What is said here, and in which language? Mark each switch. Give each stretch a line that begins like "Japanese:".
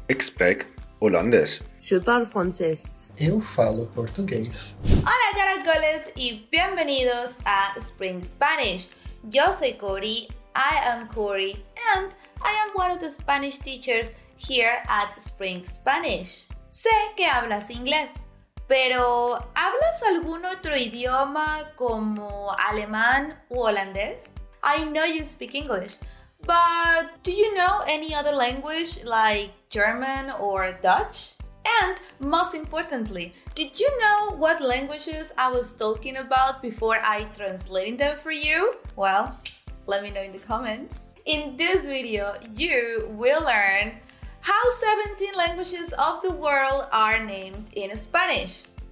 French: Expect holandês. Je parle français.
Portuguese: Eu falo português.
Spanish: Hola, caracoles, y bienvenidos a Spring Spanish. Yo soy Cori,
English: I am Cori, and I am one of the Spanish teachers here at Spring Spanish.
Spanish: Sé que hablas inglés, pero ¿hablas algún otro idioma como alemán u holandés?
English: I know you speak English, but do you know any other language like German or Dutch? And most importantly, did you know what languages I was talking about before I translated them for you? Well, let me know in the comments. In this video, you will learn how 17 languages of the world are named in Spanish.